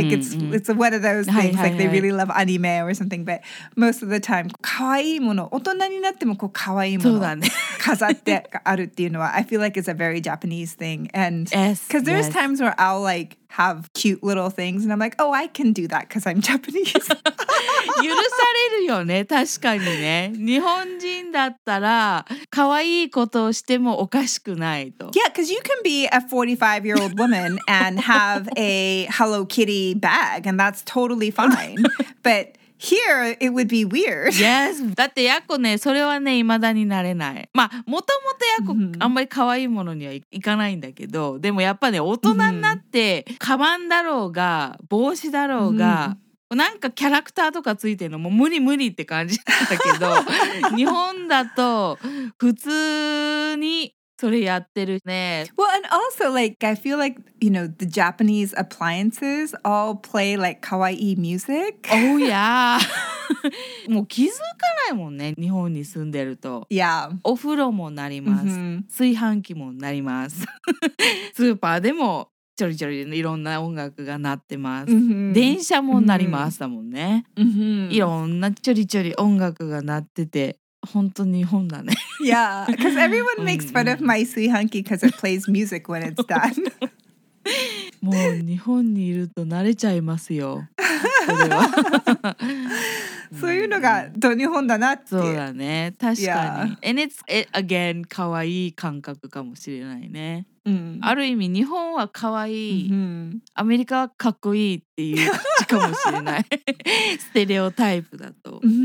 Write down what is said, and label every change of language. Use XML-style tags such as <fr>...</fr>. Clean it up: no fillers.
<en>Like it's one of those things. Like they really love anime or something.</en> <ja>But most of the time, かわいいもの、大人になってもこうかわいいもの、そうだね。飾ってあるっていうのは、</ja> <en>I feel like it's a very Japanese thing. And because there's yes. times where I'll like have cute little things and I'm like, oh, I can do that because I'm Japanese.</en> <ja>許されるよね、確かにね。日本人だったら、かわいいことをしてもおかしくないと。</ja> <en>Yeah, because you can be a 45-year-old woman and have a Hello Kitty bag, and that's totally fine. But here, it would be weird.</en> <ja>Yes, だってヤコね、それはね、未だになれない。まあ、もともとヤコ、あんまりかわいいものにはいかないんだけど、でもやっぱね、大人になって、カバンだろうが、帽子だろうが、なんかキャラクターとかついてるのも無理無理って感じだったけど日本だと普通にそれやってるね。</ja> <en>Well, and also like I feel like you know the Japanese appliances all play like kawaii music. Oh yeah.</en> <ja>もう気づかないもんね、日本に住んでると。</ja> <en>Yeah.</en> <ja>お風呂もなります、炊飯器もなりますスーパーでもちょりちょりいろんな音楽が鳴ってます、電車も鳴りますだもんね、いろんなちょりちょり音楽が鳴ってて本当に日本だね。</ja> <en>Yeah, because everyone makes fun of my 炊飯器because it plays music when it's done.</en> <ja>もう日本にいると慣れちゃいますよ、そ, れはそういうのがど日本だなって。そうだね、確かに、</ja> <en>And it's again</en> <ja>かわいい感覚かもしれないね。ある意味日本はかわいい、アメリカはかっこいいっていう感じかもしれないステレオタイプだと。</ja>